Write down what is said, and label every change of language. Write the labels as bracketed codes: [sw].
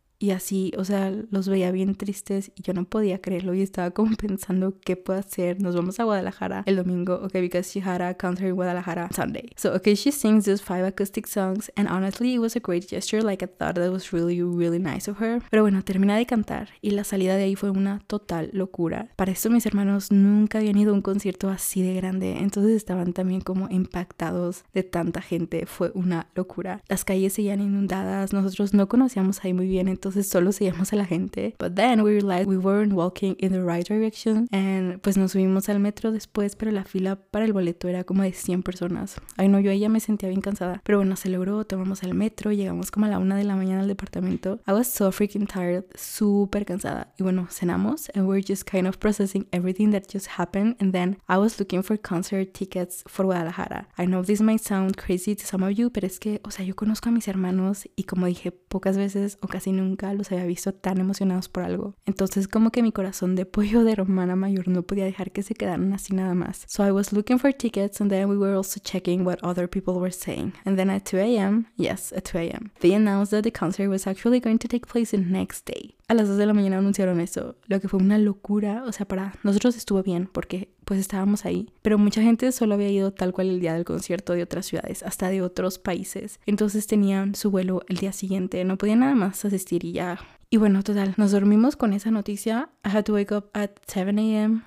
[es] Y así, o sea, los veía bien tristes y yo no podía creerlo y estaba como pensando, ¿qué puedo hacer? Nos vamos a Guadalajara el domingo, [en] okay, because she had a concert in Guadalajara Sunday. So, okay, she sings those 5 acoustic songs and honestly, it was a great gesture, like I thought that was really, really nice of her. [es] Pero bueno, termina de cantar y la salida de ahí fue una total locura. Para eso mis hermanos nunca habían ido a un concierto así de grande, entonces estaban también como impactados de tanta gente, fue una locura. Las calles seguían inundadas, nosotros no conocíamos ahí muy bien, entonces entonces solo seguíamos a la gente. [en] But then we realized we weren't walking in the right direction. [es] And pues nos subimos al metro después, pero la fila para el boleto era como de 100 personas. Ay no, yo ahí ya me sentía bien cansada. Pero bueno, se logró, tomamos el metro, llegamos como a la 1 a.m. al departamento. [en] I was so freaking tired, [es] súper cansada. Y bueno, cenamos [en] and we're just kind of processing everything that just happened. And then I was looking for concert tickets for Guadalajara. I know this might sound crazy to some of you, [es] pero es que, o sea, yo conozco a mis hermanos y como dije, pocas veces o casi nunca los había visto tan emocionados por algo. Entonces como que mi corazón de pollo de hermana mayor no podía dejar que se quedaran así nada más. [en] So I was looking for tickets and then we were also checking what other people were saying. And then at 2 a.m, yes, at 2 a.m, they announced that the concert was actually going to take place the next day. [es] A las 2 de la mañana anunciaron eso, lo que fue una locura, o sea, para nosotros estuvo bien porque pues estábamos ahí, pero mucha gente solo había ido tal cual el día del concierto de otras ciudades, hasta de otros países, entonces tenían su vuelo el día siguiente, no podían nada más asistir y ya. Y bueno, total, nos dormimos con esa noticia. [en] I had to wake up at 7 a.m.